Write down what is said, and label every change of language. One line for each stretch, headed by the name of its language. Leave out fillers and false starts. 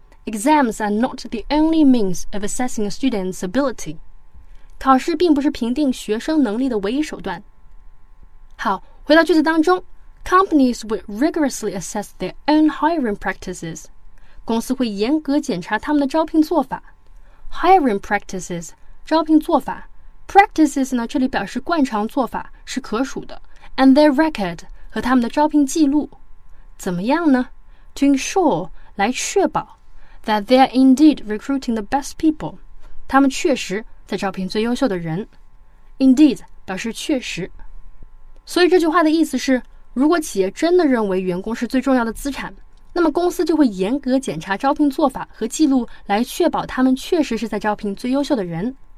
English: Exams are not the only means of assessing a student's ability.
Chinese: 考试并不是评定学生能力的唯一手段。好，回到句子当中
English: ,companies would rigorously assess their own hiring practices.
Chinese: 公司会严格检查他们的招聘做法。 Hiring practices, 招聘做法。Practices 呢，这里表示惯常做法，是可数的。
English: And their record,
Chinese: 和他们的招聘记录。怎么样呢
English: ?To ensure,
Chinese: 来确保
English: that they are indeed recruiting the best people.
Chinese: 他们确实在招聘最优秀的人。 Indeed, 表示确实。所以这句话的意思是，如果企业真的认为员工是最重要的资产，那么公司就会严格检查招聘做法和记录，来确保他们确实是在招聘最优秀的人。